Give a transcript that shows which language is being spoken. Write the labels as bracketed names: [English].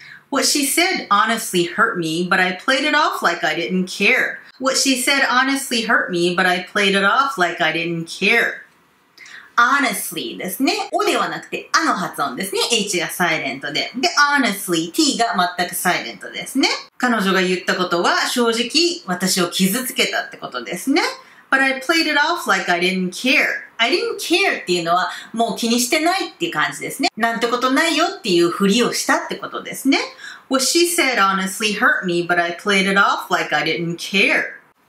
[English] What she said honestly hurt me, but I played it off like I didn't care. What she said honestly hurt me, but I played it off like I didn't care. [Japanese] Honestly ですね。おではなくて、あの発音ですね。H がサイレントで。で、honestly, T が全くサイレントですね。彼女が言ったことは、正直私を傷つけたってことですね。 [English] But I played it off like I didn't care. I didn't care [Japanese] っていうのはもう気にしてないっていう感じですね。なんてことないよっていうふりをしたってことですね。 [English] What she said honestly hurt me, but I played it off like I didn't care.